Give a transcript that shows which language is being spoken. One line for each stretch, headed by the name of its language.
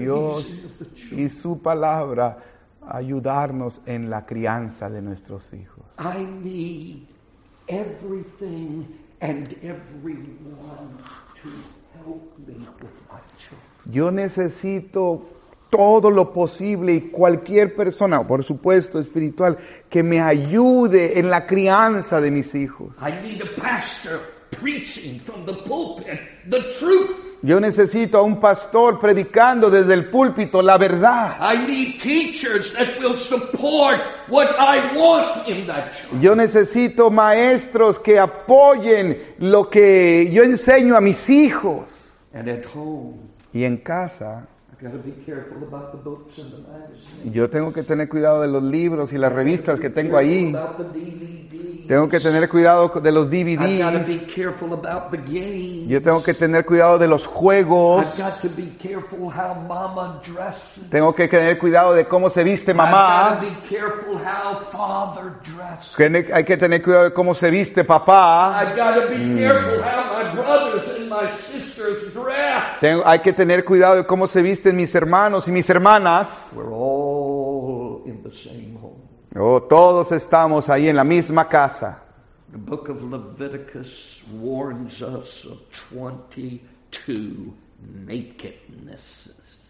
Spanish: Dios y su palabra ayudarnos en la crianza de nuestros hijos.
English: I need everything and everyone to help me with my children.
Spanish: Yo necesito todo lo posible y cualquier persona, por supuesto, espiritual, que me ayude en la crianza de mis hijos.
English: I need a pastor preaching from the pulpit the truth.
Spanish: Yo necesito a un pastor predicando desde el púlpito la verdad.
English: I need teachers that will support what I want in that church.
Spanish: Yo necesito maestros que apoyen lo que yo enseño a mis hijos.
English: And at home.
Spanish: Y en casa.
English: Gotta be careful about the books and the magazines.
Spanish: Yo tengo que tener cuidado de los libros y las revistas que tengo ahí. Tengo que tener cuidado de los DVDs.
English: I've got to be careful about the games.
Spanish: Yo tengo que tener cuidado de los juegos.
English: I've got to be careful how mama dresses.
Spanish: Tengo que tener cuidado de cómo se viste mamá.
English: I've got to be careful how father dresses.
Spanish: Hay que tener cuidado de cómo se viste papá.
English: I've got to be careful how my brothers and my sisters dress.
Spanish: Hay que tener cuidado de cómo se visten mis hermanos y mis hermanas.
English: We're all in the same.
Spanish: Oh, todos estamos ahí en la misma casa.
English: The book of Leviticus warns us of 22 nakednesses.